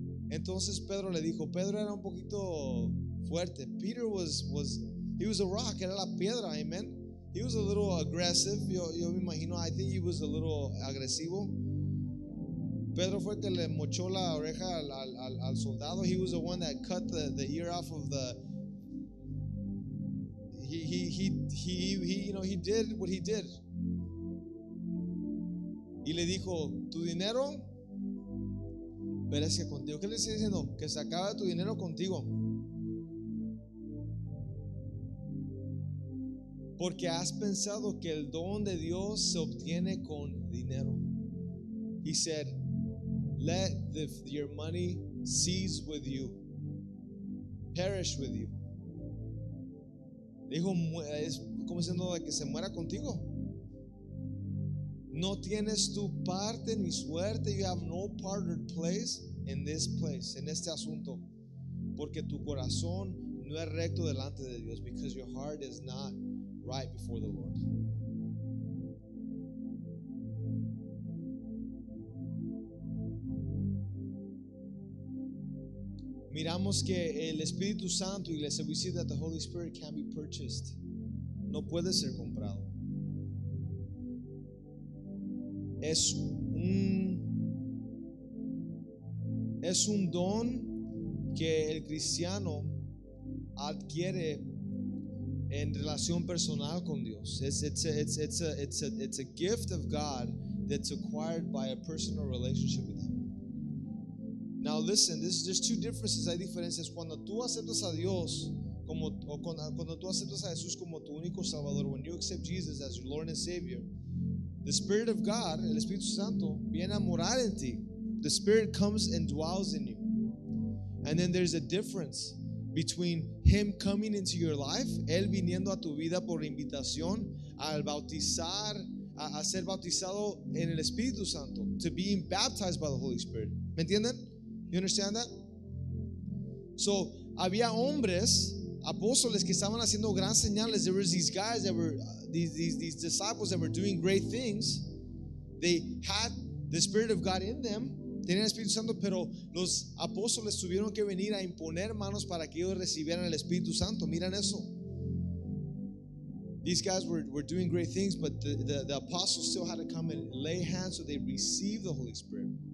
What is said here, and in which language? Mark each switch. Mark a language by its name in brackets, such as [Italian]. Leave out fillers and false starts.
[Spanish] Entonces Pedro le dijo, Pedro era un poquito fuerte. [English] Peter was he was a rock, [Spanish] era la piedra, amen. [English] He was a little aggressive. [Spanish] Yo me imagino, [English] I think he was a little agresivo. [Spanish] Pedro fue que le mochó la oreja al soldado. [English] He was the one that cut the ear off of the. He did what he did. [Spanish] Y le dijo, tu dinero, perezca contigo. ¿Qué le está diciendo? Que se acabe tu dinero contigo. Porque has pensado que el don de Dios se obtiene con dinero. [English] He said, let your money cease with you, perish with you. [Spanish] Dijo, es como diciendo que se muera contigo. No tienes tu parte ni suerte. [English] You have no part or place in this place, [Spanish] en este asunto. Porque tu corazón no es recto delante de Dios. [English] Because your heart is not right before the Lord. [Spanish] Miramos que el Espíritu Santo, iglesia, [English] we see that the Holy Spirit can be purchased. [Spanish] No puede ser comprado. Es un don que el cristiano adquiere en relación personal con Dios. [English] It's a gift of God that's acquired by a personal relationship with Him. Now listen, there's two differences. [Spanish] Hay diferencias cuando tú aceptas a Dios como o cuando tú aceptas a Jesús como tu único Salvador. [English] When you accept Jesus as your Lord and Savior, the Spirit of God, [Spanish] el Espíritu Santo, viene a morar en ti. [English] The Spirit comes and dwells in you. And then there's a difference between Him coming into your life, [Spanish] Él viniendo a tu vida por invitación, al bautizar, a ser bautizado en el Espíritu Santo, [English] to being baptized by the Holy Spirit. [Spanish] ¿Me entienden? [English] You understand that? [Spanish] So, había hombres, apóstoles, que estaban haciendo gran señales. [English] There were these guys that were, these disciples that were doing great things. They had the Spirit of God in them. [Spanish] Tenían el Espíritu Santo, pero los apóstoles tuvieron que venir a imponer manos para que ellos recibieran el Espíritu Santo. Miren eso. [English] These guys were doing great things, but the apostles still had to come and lay hands so they received the Holy Spirit.